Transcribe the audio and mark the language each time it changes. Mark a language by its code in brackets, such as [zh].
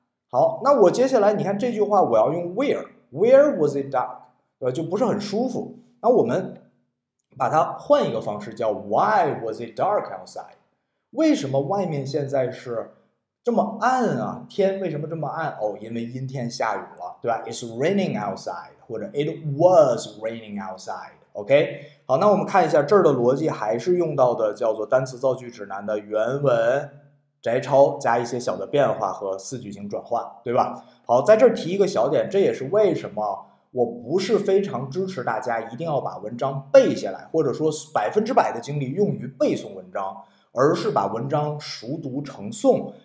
[zh] 好，那我接下来你看这句话，我要用 where。 [en] Where was it dark？ [zh] 就不是很舒服。那我们把它换一个方式，叫 [en] Why was it dark outside？ [zh] 为什么外面现在是这么暗啊，天为什么这么暗？哦，因为阴天下雨了，对吧？ [en] It's raining outside， [zh] 或者 [en] It was raining outside。 [zh] OK，好，那我们看一下这儿的逻辑，还是用到的叫做单词造句指南的原文摘抄加一些小的变化和四句型转换，对吧？好，在这儿提一个小点，这也是为什么我不是非常支持大家一定要把文章背下来，或者说100%的精力用于背诵文章，而是把文章熟读成诵。